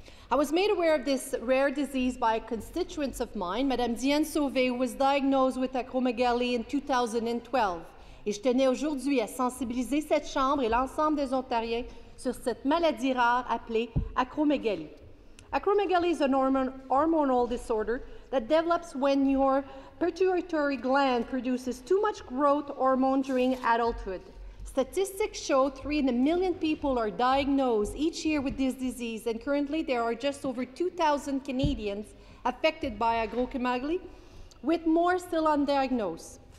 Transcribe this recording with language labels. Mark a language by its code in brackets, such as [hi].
[en] I was made aware of this rare disease by a constituent of mine, Madame Diane Sauvé, who was diagnosed with acromegaly in 2012. [fr] Et je tenais aujourd'hui à sensibiliser cette chambre et l'ensemble des Ontariens sur cette maladie rare appelée acromegaly. [en] Acromegaly is a hormonal disorder that develops when your pituitary gland produces too much growth hormone during adulthood. Statistics show 3 in a million people are diagnosed each year with this disease, and currently there are just over 2,000 Canadians affected by acromegaly, with more still undiagnosed.